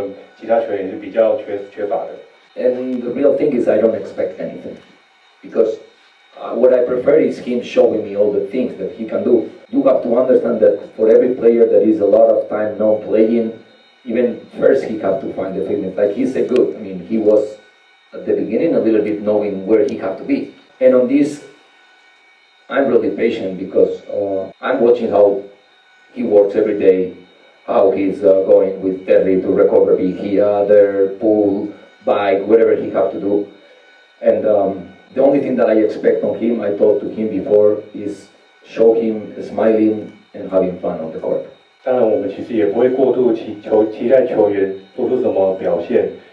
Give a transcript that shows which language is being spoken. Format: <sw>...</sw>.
<zh>那他能在这种焦灼的比赛做出对我们原本的阵容当做出一个突破，那再来他的防守也是非常的扎实，这些都是可以让他让球队更进步的地方。再来是他的阅读比赛的能力是我们其他球员也是比较缺乏的。</zh> <en>And the real thing is I don't expect anything, because what I prefer is him showing me all the things that he can do. You have to understand that for every player that is a lot of time not playing, even first he have to find the fitness. Like he said, good. I mean, he was at the beginning a little bit knowing where he had to be. And on this, I'm really patient because I'm watching how he works every day, how he's going with Terry to recover, be he other, pull, bike, whatever he has to do. And the only thing that I expect from him, I talked to him before, is show him smiling and having fun on the court.</en> <zh>当然我们其实也不会过度期待球员做出什么表现。</zh>